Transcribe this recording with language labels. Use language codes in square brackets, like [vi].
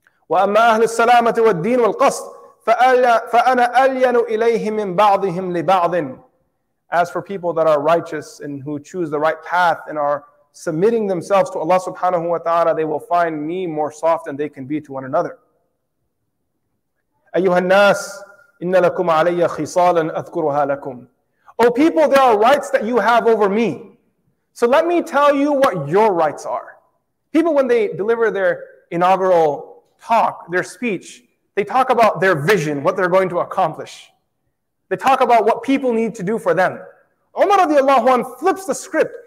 [ar] وَأَمَّا أَهْلِ السَّلَامَةِ وَالدِّينِ وَالْقَصْدِ فَأَنَا أَلْيَنُ إِلَيْهِمْ مِنْ بَعْضِهِمْ لِبَعْضٍ. [en] As for people that are righteous and who choose the right path and are submitting themselves to Allah subhanahu wa ta'ala, they will find me more soft than they can be to one another. [ar] أيها الناس إن لكم علي خصالا أذكرها لكم. [en] O people, there are rights that you have over me. So let me tell you what your rights are. People, when they deliver their inaugural talk, their speech, they talk about their vision, what they're going to accomplish. They talk about what people need to do for them. Umar radiallahu anhu flips the script.